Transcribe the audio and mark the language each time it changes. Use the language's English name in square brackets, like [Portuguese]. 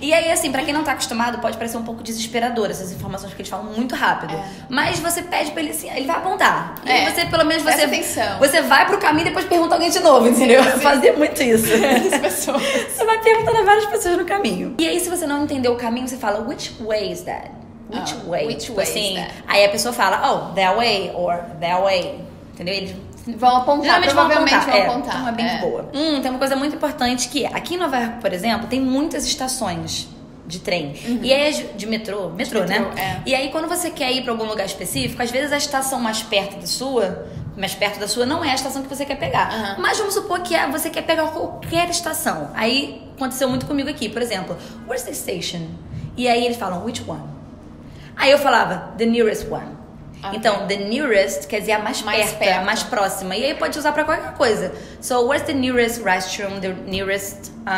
[Portuguese] E aí, assim, pra quem não tá acostumado, pode parecer um pouco desesperador essas informações, porque eles falam muito rápido. Mas você pede pra ele, assim, ele vai apontar. E você, pelo menos, você... Presta atenção. Você vai pro caminho e depois pergunta alguém de novo, entendeu? Sim. Eu fazia muito isso. Pessoas. Você vai perguntando a várias pessoas no caminho. E aí, se você não entendeu o caminho, você fala, [English] which way is that? Which way? Which way [Portuguese] assim, [English] is that? [Portuguese] Aí a pessoa fala, [English] oh, that way, or that way. [Portuguese] Entendeu? Eles... Vão apontar, geralmente provavelmente vão apontar. Então é bem boa. Tem uma coisa muito importante que é, aqui em Nova York, por exemplo, tem muitas estações de trem. E aí, de metrô, né? É. E aí, quando você quer ir pra algum lugar específico, às vezes a estação mais perto da sua, não é a estação que você quer pegar. Mas vamos supor que você quer pegar qualquer estação. Aí, aconteceu muito comigo aqui, por exemplo, [English] where's the station? [Portuguese] E aí, eles falam, [English] which one? [Portuguese] Aí, eu falava, [English] the nearest one. Okay. [Portuguese] Então, the nearest quer dizer a mais perto, a mais próxima. E aí pode usar pra qualquer coisa. [English] So, where's the nearest restroom, the nearest...